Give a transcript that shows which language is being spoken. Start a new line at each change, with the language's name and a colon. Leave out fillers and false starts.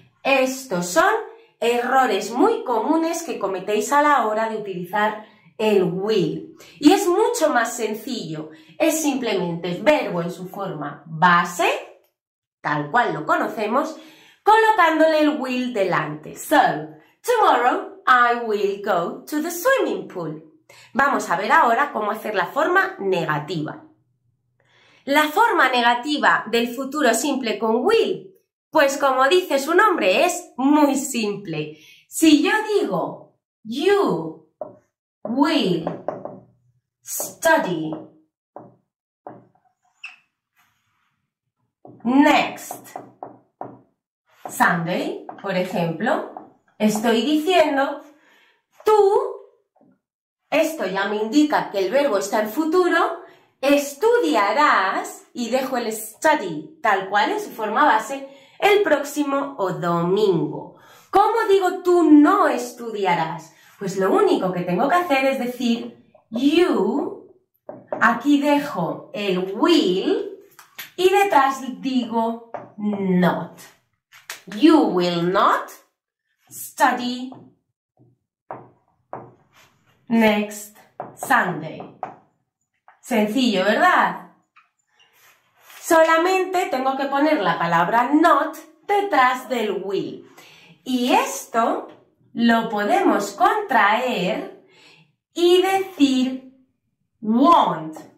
Spanish: Estos son errores muy comunes que cometéis a la hora de utilizar el will. Y es mucho más sencillo. Es simplemente verbo en su forma base, tal cual lo conocemos, colocándole el will delante.
English: So, tomorrow I will go to the swimming pool.
Spanish: Vamos a ver ahora cómo hacer la forma negativa. La forma negativa del futuro simple con will, pues como dice su nombre, es muy simple. Si yo digo,
English: you will study next Sunday,
Spanish: por ejemplo, estoy diciendo, tú, esto ya me indica que el verbo está en futuro, estudiarás, y dejo el study tal cual en su forma base, el próximo o domingo. ¿Cómo digo tú no estudiarás? Pues lo único que tengo que hacer es decir you, aquí dejo el will y detrás digo not.
English: You will not study next Sunday.
Spanish: Sencillo, ¿verdad? Solamente tengo que poner la palabra not detrás del will. Y esto lo podemos contraer y decir won't.